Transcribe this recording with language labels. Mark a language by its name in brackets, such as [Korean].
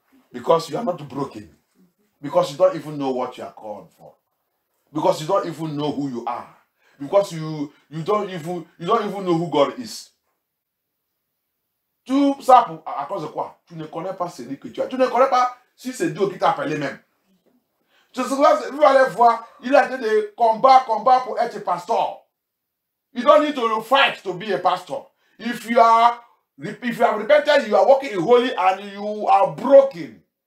[English] Because you are not broken. Because you don't even know what you are called for. Because you don't even know who you are. Because you don't even know who God is. [French] Tu sais à cause de quoi? Tu ne connais pas celui que tu as. Tu ne connais pas si c'est Dieu qui t'a appelé même. Tu sais quoi? Vous allez voir, il a été de combat pour être pasteur. [English] You don't need to fight to be a pastor. If you have repented, you are walking in holy and you are broken.